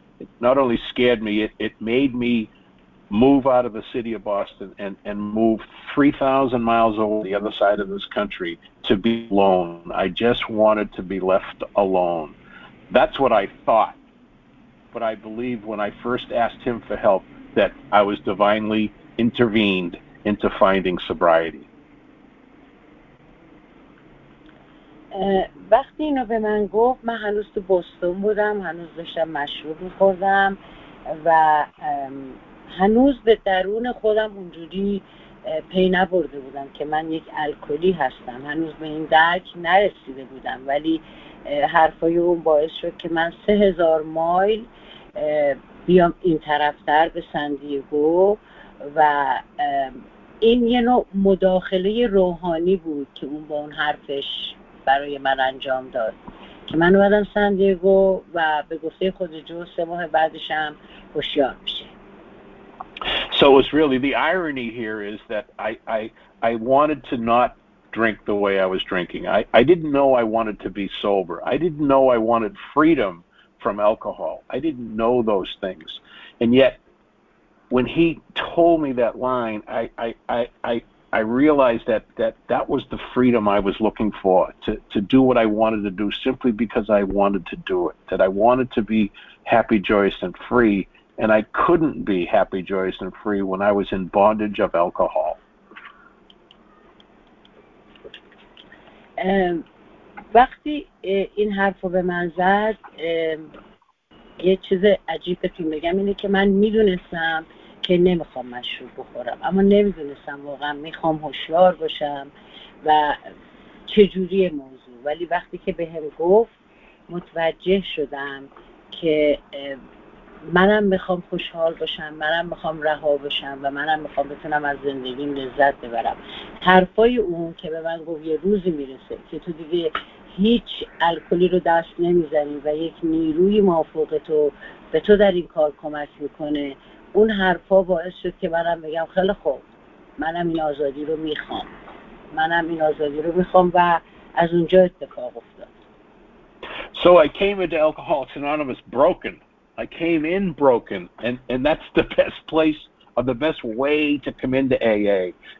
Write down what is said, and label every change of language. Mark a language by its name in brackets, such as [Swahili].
[English] It not only scared me, it made me move out of the city of Boston and move 3,000 miles over the other side of this country to be alone. I just wanted to be left alone. That's what I thought. But I believe when I first asked him for help that I was divinely intervened into finding sobriety. [Persian] وقتی اینو به من گفت من هنوز تو بوستون بودم هنوز داشتم مشروب می‌خوردم و هنوز به درون خودم اونجوری پی نبرده بودم که من یک الکلی هستم هنوز به این درک نرسیده بودم ولی حرفای اون باعث شد که من 3000 مایل بیام این طرفتر به سندیگو و این یه نوع مداخله روحانی بود که اون با اون حرفش برای من انجام داد که من اومدم سندیگو و به گفته خود جو 3 ماه بعدش هم هوشیار میشه. [English] So it's really the irony here is that I wanted to not drink the way I was drinking. I didn't know I wanted to be sober. I didn't know I wanted freedom from alcohol. I didn't know those things. And yet, when he told me that line, I realized that was the freedom I was looking for, to do what I wanted to do simply because I wanted to do it, that I wanted to be happy, joyous, and free, and I couldn't be happy, joyous, and free when I was in bondage of alcohol. [Persian] وقتی این حرف رو به من زد یه چیز عجیب بهتون بگم اینه که من میدونستم که نمیخوام مشروب بخورم اما نمیدونستم واقعا میخوام هوشیار باشم و چجوری موضوع ولی وقتی که بهم گفت متوجه شدم که منم میخوام خوشحال باشم منم میخوام رها باشم و منم میخوام بتونم از زندگیم لذت ببرم حرفای اون که به من گفت یه روزی میرسه که تو دیگه هیچ الکلی رو دست نمیزنی و یک نیروی مافوق تو به تو در این کار کمک میکنه اون حرفا باعث شد که منم بگم خیلی خوب منم این آزادی رو میخوام منم این آزادی رو میخوام و از اونجا اتفاق افتاد. [English] So I came into Alcoholics Anonymous broken. I came in broken and that's the best place or the best way to come into AA.